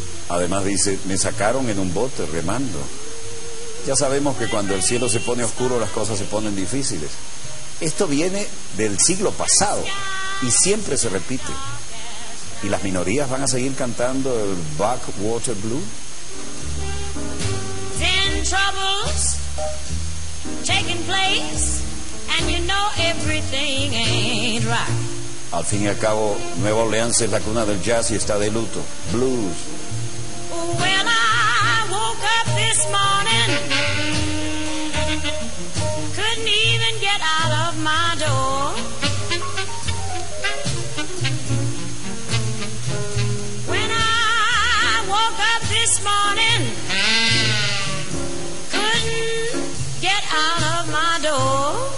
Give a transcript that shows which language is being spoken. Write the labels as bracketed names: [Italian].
[Spanish] Además dice: me sacaron en un bote remando. Ya sabemos que cuando el cielo se pone oscuro, las cosas se ponen difíciles. Esto viene del siglo pasado y siempre se repite. ¿Y las minorías van a seguir cantando el Backwater Blue? [English] Ten troubles taking place and you know everything ain't right. [Spanish] Al fin y al cabo, Nueva Orleans es la cuna del jazz y está de luto. [English] Blues. When I woke up this morning, couldn't even get out of my door. When I woke up this morning, couldn't get out of my door.